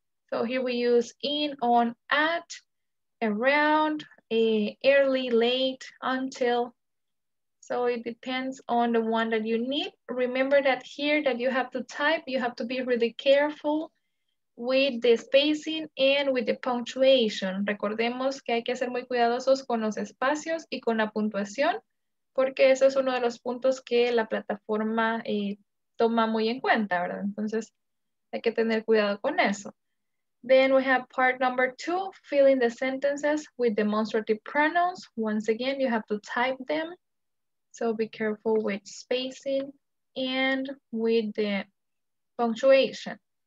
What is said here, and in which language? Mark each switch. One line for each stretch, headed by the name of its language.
English: So here we use in, on, at, around, early, late, until. So it depends on the one that you need. Remember that here that you have to type, you have to be really careful with the spacing and with the punctuation.
Spanish: Recordemos que hay que ser muy cuidadosos con los espacios y con la puntuación, porque eso es uno de los puntos que la plataforma toma muy en cuenta, ¿verdad? Entonces hay que tener cuidado con eso.
English: Then we have part number two, filling the sentences with demonstrative pronouns. Once again, you have to type them. So be careful with spacing and with the punctuation.